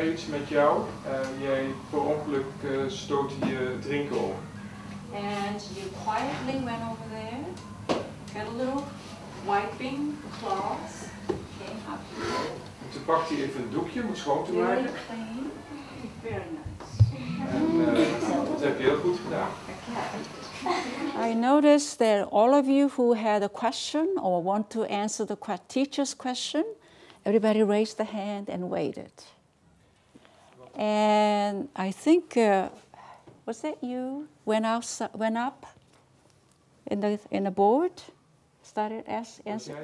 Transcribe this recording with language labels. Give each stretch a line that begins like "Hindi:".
Dutch: Met jou, jij per ongeluk stootte je drinken op.
English: And you quietly went over there, got a little wiping cloths, came up.
Dutch: Toen pakte je even een doekje om het schoon te maken.
English: Very clean, very nice.
Dutch: En dat heb je heel goed gedaan.
English: I noticed that all of you who had a question or want to answer the teacher's question, everybody raised the hand and waited. And I think, was that you went up in the board, started answering?